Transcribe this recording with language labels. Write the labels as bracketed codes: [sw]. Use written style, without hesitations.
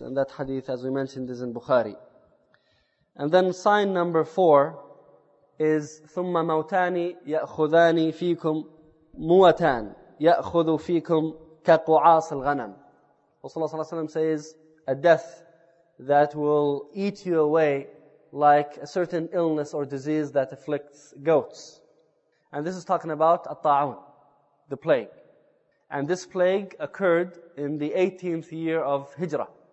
[en] And that hadith, as we mentioned, is in Bukhari. And then sign number four is [ar] ثُمَّ مَوْتَانِ يَأْخُذَانِ فِيكُمْ مُوَتَانِ يَأْخُذُ فِيكُمْ كَقُعَاصِ الْغَنَمِ. [en] Rasulullah صلى الله عليه وسلم says, a death that will eat you away like a certain illness or disease that afflicts goats. And this is talking about At-Ta'un, the plague. And this plague occurred in the 18th year of Hijrah.